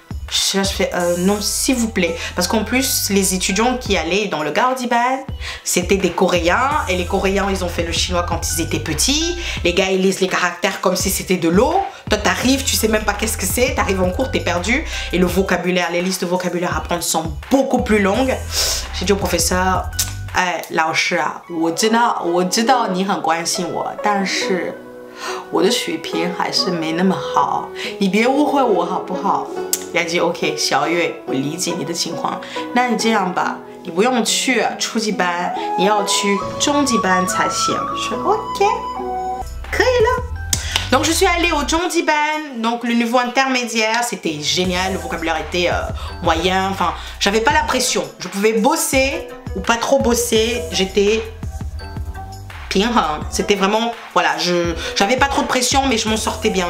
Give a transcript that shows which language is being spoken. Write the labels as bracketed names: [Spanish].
[French] Je fais non, s'il vous plaît. Parce qu'en plus, les étudiants qui allaient dans le Gaojiban, c'était des Coréens. Et les Coréens, ils ont fait le chinois quand ils étaient petits. Les gars, ils lisent les caractères comme si c'était de l'eau. Toi, t'arrives, tu sais même pas qu'est-ce que c'est. T'arrives en cours, t'es perdu. Et le vocabulaire, les listes de vocabulaire à apprendre sont beaucoup plus longues. J'ai dit au professeur hey, [Chinese] 老师啊，我知道你很关心我，但是。我的水平还是没那么好，你别误会我好不好？雅吉 ，OK， 小月，我理解你的情况。那你这样吧，你不用去初级班，你要去中级班才行。说 OK， 可以了。 [French] Donc je suis allée au Zhongjiban, donc le niveau intermédiaire, c'était génial, le vocabulaire était moyen. Enfin, j'avais pas la pression, je pouvais bosser ou pas trop bosser. J'étais c'était vraiment, voilà, j'avais pas trop de pression, mais je m'en sortais bien.